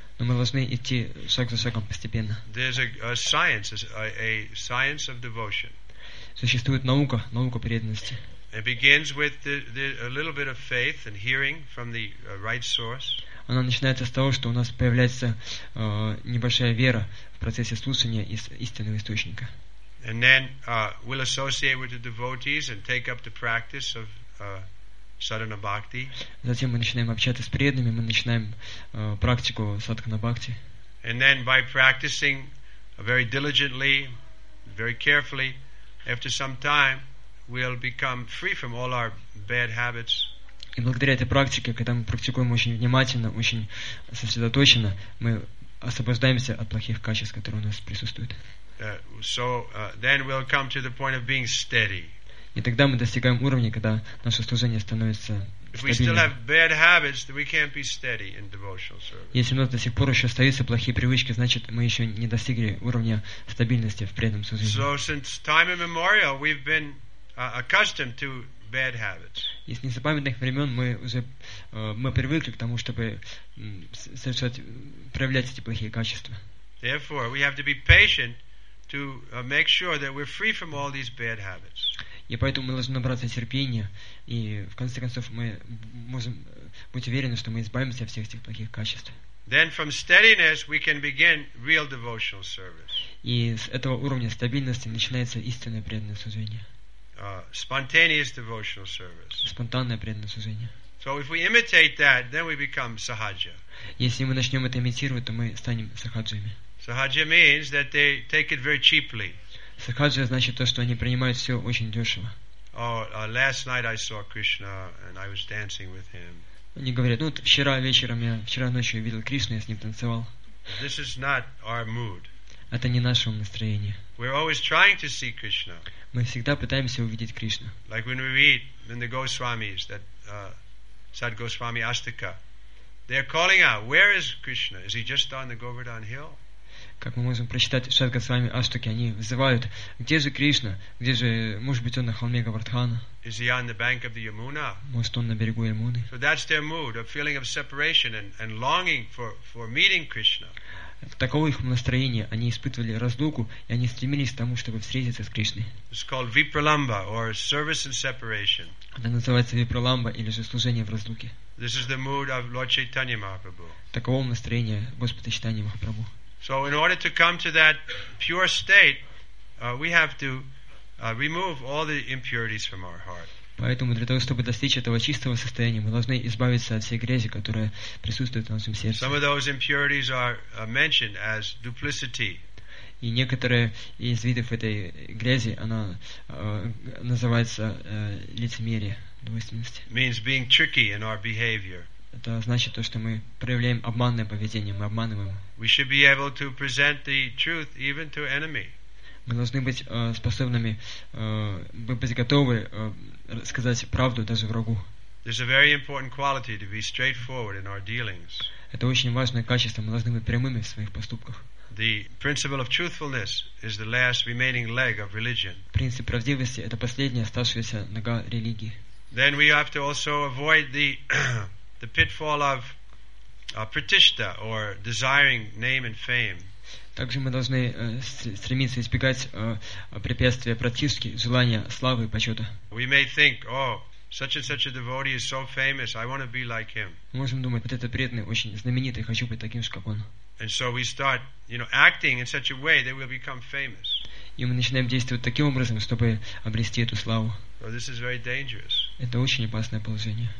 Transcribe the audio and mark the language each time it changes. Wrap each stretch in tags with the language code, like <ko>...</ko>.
<ru>Но мы должны идти шаг за шагом постепенно.</ru> <en>There's a science of devotion.</en> <ru>Существует наука, наука преданности.</ru> <en>It begins with a little bit of faith and hearing from the right source.</en> <ru>Она начинается с того, что у нас появляется небольшая вера в процессе слушания из истинного источника.</ru> <en>And then we'll associate with the devotees and take up the practice of sadhana bhakti.</en> <ru>Затем мы начинаем общаться с преданными, мы начинаем практику садхана бхакти.</ru> <en>And then by practicing very diligently, very carefully, after some time, we'll become free from all our bad habits.</en> <ru>И благодаря этой практике, когда мы практикуем очень внимательно, очень сосредоточенно, мы освобождаемся от плохих качеств, которые у нас присутствуют.</ru> <en>Then we'll come to the point of being steady.</en> <ru>И тогда мы достигаем уровня, когда наше служение становится стабильным.</ru> <en>If we still have bad habits, then we can't be steady in devotional service.</en> <ru>Если у нас до сих пор еще остаются плохие привычки, значит, мы еще не достигли уровня стабильности в преданном служении.</ru> <en>So since time immemorial, we've been accustomed to bad habits.</en> <ru>И с незапамятных времен мы уже мы привыкли к тому, чтобы совершать проявлять эти плохие качества.</ru> <en>Therefore, we have to be patient to make sure that we're free from all these bad habits.</en> <ru>И поэтому мы должны набраться терпения, и в конце концов мы можем быть уверены, что мы избавимся от всех этих плохих качеств.</ru> <en>Then from steadiness we can begin real devotional service.</en> <ru>И с этого уровня стабильности начинается истинное преданное служение.</ru> <en>Spontaneous devotional service.</en> <ru>Спонтанное преданное служение.</ru> <en>So if we imitate that, then we become sahaja.</en> <ru>Если мы начнем это имитировать, то мы станем сахаджами.</ru> <en>Sahaja means that they take it very cheaply.</en> <ru>Сахаджа значит то, что они принимают все очень дешево.</ru> <en>Last night I saw Krishna and I was dancing with him.</en> <ru>Они говорят, ну вчера вечером я вчера ночью видел Кришну, я с ним танцевал.</ru> <en>This is not our mood.</en> <ru>Это не наше настроение.</ru> <en>We're always trying to see Krishna.</en> <ru>Мы всегда пытаемся увидеть Кришну.</ru> <en>Like when we read in the Goswamis that Sad Goswami Astika, they're calling out, where is Krishna? Is he just on the Govardhan Hill?</en> <ru>Как мы можем прочитать Сад Госвами Аштаки, они вызывают, где же Кришна? Где же, может быть, он на холме Говардхана?</ru> <en>Is he on the bank of the Yamuna?</en> <ru>Может, он на берегу Ямуны?</ru> <en>So that's their mood, a feeling of separation and longing for meeting Krishna.</en> <ru>Таково их настроение. Они испытывали разлуку, и они стремились к тому, чтобы встретиться с Кришной.</ru> <en>It's called Vipralamba, or service and separation.</en> <ru>Это называется Випраламба, или же служение в разлуке.</ru> <en>This is the mood of Lord Chaitanya Mahaprabhu.</en> <ru>Таково настроение Господа Чайтаньи Махапрабху.</ru> <en>So in order to come to that pure state, we have to remove all the impurities from our heart.</en> <ru>Поэтому для того, чтобы достичь этого чистого состояния, мы должны избавиться от всей грязи, которая присутствует в нашем сердце.</ru> <en>Some of those impurities are mentioned as duplicity.</en> <ru>И некоторые из видов этой грязи, она называется лицемерие, двойственность.</ru> <en>Means being tricky in our behavior.</en> <ru>Это значит то, что мы проявляем обманное поведение, мы обманываем.</ru> <en>We should be able to present the truth even to enemy.</en> <ru>Мы должны быть способными быть готовы сказать правду даже врагу.</ru> <en>There's a very important quality to be straightforward in our dealings.</en> <ru>Это очень важное качество. Мы должны быть прямыми в своих поступках.</ru> <en>The principle of truthfulness is the last remaining leg of religion.</en> <ru>Принцип правдивости — это последняя оставшаяся нога религии.</ru> <en>Then we have to also avoid the the pitfall of pratishtha or desiring name and fame.</en> <ru>Также мы должны стремиться избегать препятствия пратишки, желания славы и почета.</ru> <en>We may think, oh, such and such a devotee is so famous. I want to be like him.</en> <ru>Мы можем думать, вот этот преданный очень знаменитый, хочу быть таким же, как он.</ru> <en>And so we start, you know, acting in such a way that we'll become famous.</en> <ru>И мы начинаем действовать таким образом, чтобы обрести эту славу.</ru> <en>So this is very dangerous.</en> <ru>Это очень опасное положение.</ru>